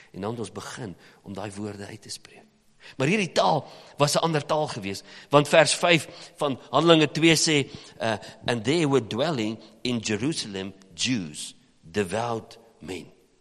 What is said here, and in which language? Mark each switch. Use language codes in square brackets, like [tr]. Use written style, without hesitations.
[af] En dan moet ons begin om daai woorde uit te spreek. Maar hierdie taal was 'n ander taal gewees. Want vers 5 van Handelinge 2 sê, [en] And they were dwelling in Jerusalem, Jews, devout men.